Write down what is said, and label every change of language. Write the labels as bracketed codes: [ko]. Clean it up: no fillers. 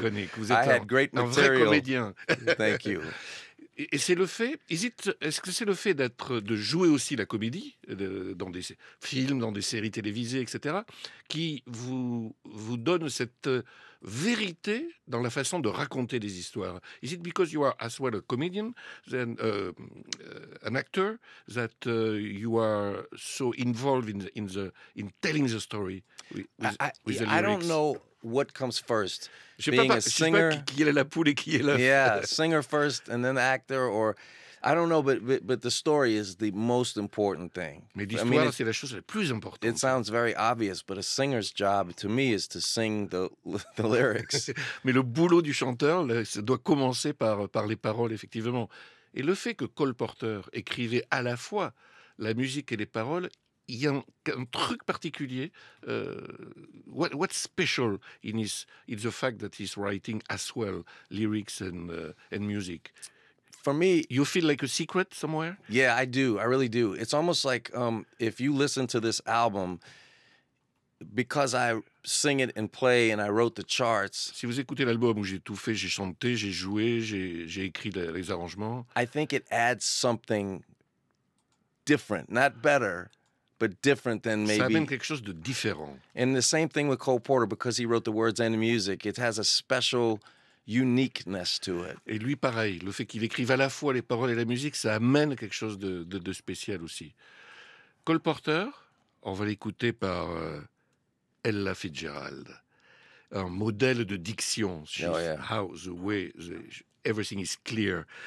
[fr] Connick, vous êtes un vrai comédien. [en] Thank you. [fr] Et c'est le fait, est-ce que c'est le fait d'être, de jouer aussi la comédie dans des films, dans des séries télévisées, etc., qui vous donne cette vérité dans la façon de raconter des histoires? [en] Is it because you are as well a comedian than an actor that you are so involved in telling the story with the lyrics? I don't know. What comes first, being a singer? [fr] Qui est la poule et qui est la... [en] Yeah, singer first and then actor, or I don't know, but the story is the most important thing. [fr] Mais l'histoire, c'est la chose la plus importante. [en] It sounds very obvious, but a singer's job, to me, is to sing the lyrics. [fr] Mais le boulot du chanteur, là, ça doit commencer par les paroles, effectivement. Et le fait que Cole Porter écrivait à la fois la musique et les paroles. Il y a un truc particulier. [en] What's special in his? It's the fact that he's writing as well lyrics and music. For me, you feel like a secret somewhere. Yeah, I do. I really do. It's almost like if you listen to this album, because I sing it and play and I wrote the charts. [fr] Si vous écoutez l'album où j'ai tout fait, j'ai chanté, j'ai joué, j'ai écrit les arrangements. [en] I think it adds something different, not better. But different than maybe. [fr] Ça amène quelque chose de différent. [en] And the same thing with Cole Porter, because he wrote the words and the music, it has a special uniqueness to it. [fr] Et lui, pareil, le fait qu'il écrive à la fois les paroles et la musique, ça amène quelque chose de spécial aussi. Cole Porter, on va l'écouter par Ella Fitzgerald, un modèle de diction. [en] Oh, yeah. How the way everything is clear.